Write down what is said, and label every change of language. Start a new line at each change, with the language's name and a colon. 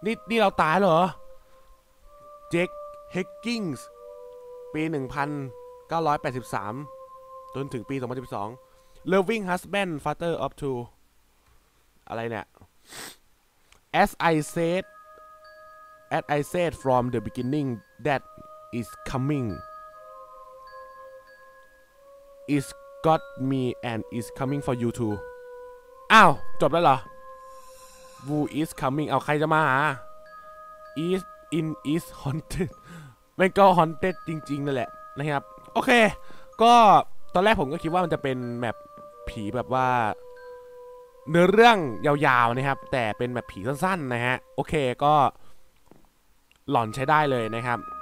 Thai: นี่เราตายเหรอเจคเฮกกิ้งปี1983จนถึงปี2012
English: loving husband father of two
Thai: อะไรเนี่ย
English: As I said from the beginning, that is coming. It's got me and it's coming for you too.
Thai: อ้าวจบแล้วเหรอ
English: Who is coming?
Thai: เอาใครจะมาหา
English: Is in is haunted.
Thai: มันก็ haunted จริงๆนั่นแหละนะครับโอเคก็ตอนแรกผมก็คิดว่ามันจะเป็นแบบผีแบบว่าเนื้อเรื่องยาวๆนะครับแต่เป็นแบบผีสั้นๆนะฮะโอเคก็หลอนใช้ได้เลยนะครับ